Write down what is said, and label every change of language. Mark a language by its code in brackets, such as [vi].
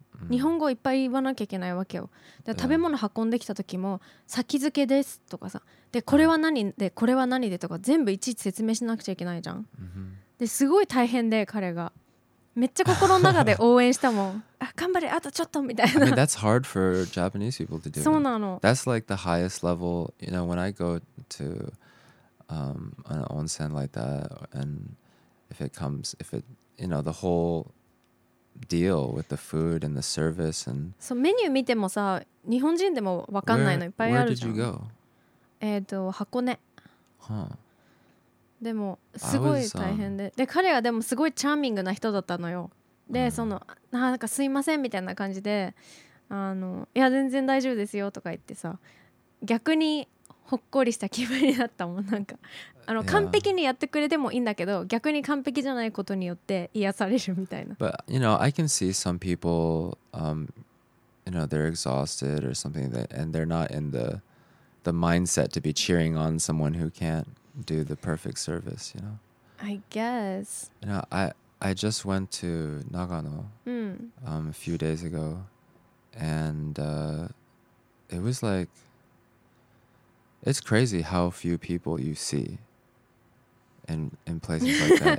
[ja] 日本語いっぱい言わなきゃいけないわけよ。で食べ物運んできた時も先付けですとかさ、でこれは何でこれは何でとか全部いちいち説明しなくちゃいけないじゃん。ですごい大変で、彼がめっちゃ心の中で応援したもん。あ頑張れあとちょっとみたいな。 [en] I mean, that's hard for Japanese people to do. [ja] そうなの。 [en] That's like the highest level. You know, when I go to an onsen like that, and if it comes, if it, you know, the whole deal with the food and the service and. [ja] そうメニュー見てもさ、日本人でもわかんないのいっぱいあるじゃん。 [en] Where did you go? 箱根。 Huh. [ja] でもすごい大変で、で彼はでもすごいチャーミングな人だったのよ。でそのなんかすいませんみたいな感じで、あのいや全然大丈夫ですよとか言ってさ、逆にほっこりした気分になったもん。なんかあの完璧にやってくれてもいいんだけど、逆に完璧じゃないことによって癒されるみたいな。 [en] But you know, I can see some people, you know, they're exhausted or something, that, and they're not in the mindset to be cheering on someone who can't. Do the perfect service, you know? I guess. You know, I just went to Nagano a few days ago, and it was like, it's crazy how few people you see in places like that.